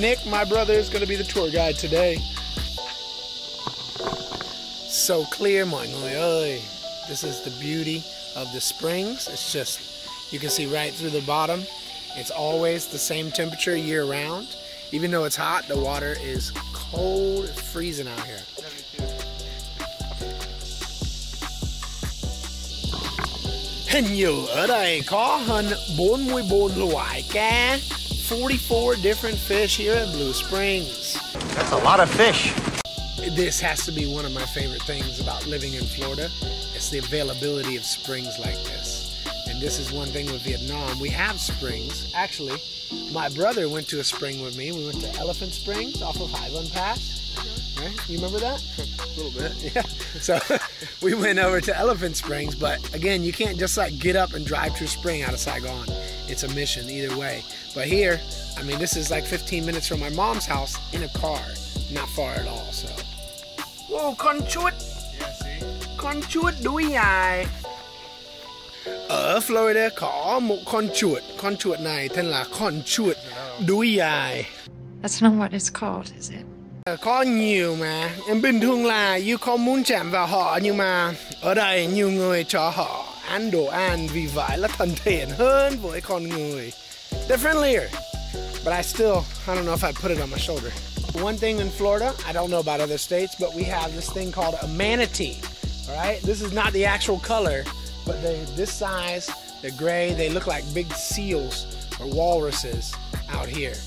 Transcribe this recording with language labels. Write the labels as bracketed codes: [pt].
[en] Nick, my brother, is gonna be the tour guide today. So clear, my boy. This is the beauty of the springs. It's just, you can see right through the bottom. It's always the same temperature year round. Even though it's hot, the water is cold, it's freezing out here. And you [vi] ở đây có hơn 44 loại cá, [en] 44 different fish here at Blue Springs. That's a lot of fish. This has to be one of my favorite things about living in Florida. It's the availability of springs like this. And this is one thing with Vietnam. We have springs. Actually, my brother went to a spring with me. We went to Elephant Springs off of Highland Pass. Yeah. Right? You remember that? A little bit. Yeah. So we went over to Elephant Springs. But again, you can't just like get up and drive to a spring out of Saigon. It's a mission either way. But here, I mean, this is like 15 minutes from my mom's house in a car. Not far at all, so. [vi] Whoa, con chuột. [en] Yeah, see? [vi] Con chuột đuôi dài. Ở Florida có một con chuột này tên là con chuột đuôi dài. [en] That's not what it's called, is it? [vi] Có nhiều mà, em bình thường là you không muốn chạm vào họ, nhưng mà ở đây nhiều người cho họ ăn đồ ăn, vì vậy là thân thiện hơn với con người. [en] They're friendlier, but I don't know if I'd put it on my shoulder. One thing in Florida, I don't know about other states, but we have this thing called a manatee, all right? This is not the actual color, but they're this size, they're gray, they look like big seals or walruses out here.